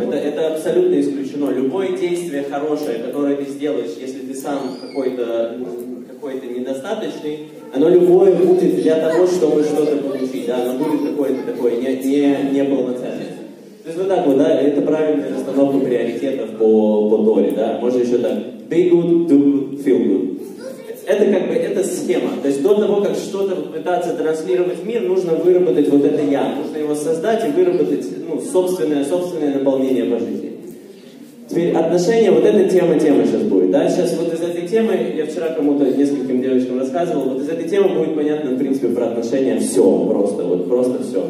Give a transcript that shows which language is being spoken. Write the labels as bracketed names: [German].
[Russian] Это абсолютно исключено. Любое действие хорошее, которое ты сделаешь, если ты сам какой-то недостаточный, оно любое будет для того, чтобы что-то получить. Да, оно будет такое не полноценное. То есть вот так вот, да, это правильная расстановка приоритетов по Торе, да. Можно еще так. [English] Be good, do good, feel good. [Russian] Это как бы, это схема. То есть до того, как что-то пытаться транслировать в мир, нужно выработать вот это «я». Нужно его создать и выработать, ну, собственное наполнение по жизни. Теперь отношения, вот эта тема сейчас будет. Да? Сейчас вот из этой темы, я вчера кому-то, нескольким девочкам рассказывал, вот из этой темы будет понятно, в принципе, про отношения все просто, вот просто все.